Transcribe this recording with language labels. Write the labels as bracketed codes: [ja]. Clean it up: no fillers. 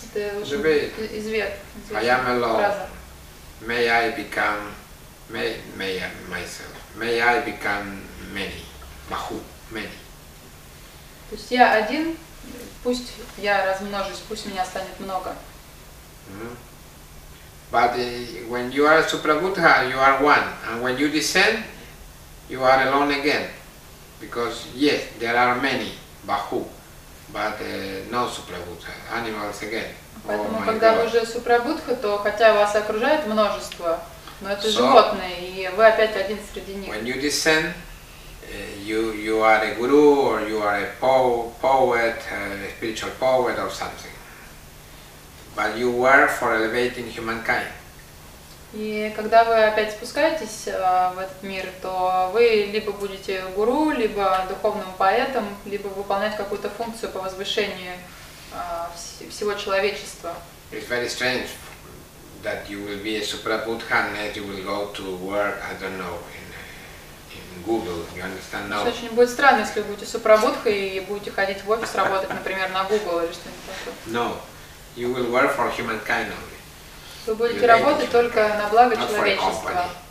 [ru] Это [en] I am alone. May I become many. Bahu. Many. [ru] То есть я один. Пусть я размножусь, пусть меня станет много. [en] But when you are Supra Buddha, you are one. And when you descend, you are alone again. Because yes, there are many, Bahu, but no Supra Buddha, animals again. [ru] Поэтому когда вы уже Супра Будха, то хотя вас окружает множество, но это животные, и вы опять один среди них. [en] When you descend, you are a guru or you are a poet, a spiritual poet or something. But you were for elevating humankind. [ru] И когда вы опять спускаетесь в этот мир, то вы либо будете гуру, либо духовным поэтом, либо выполнять какую-то функцию по возвышению всего человечества. [en] It's very strange that you will be a Supra Buddha and that you will go to work, I don't know, in Google, you understand now? [ru] Это очень будет странно, если вы будете Супра Будха и будете ходить в офис работать, например, на Google или что-нибудь такое. [en] No. You will work for humankind only. [ru] Вы будете работать только на благо человечества.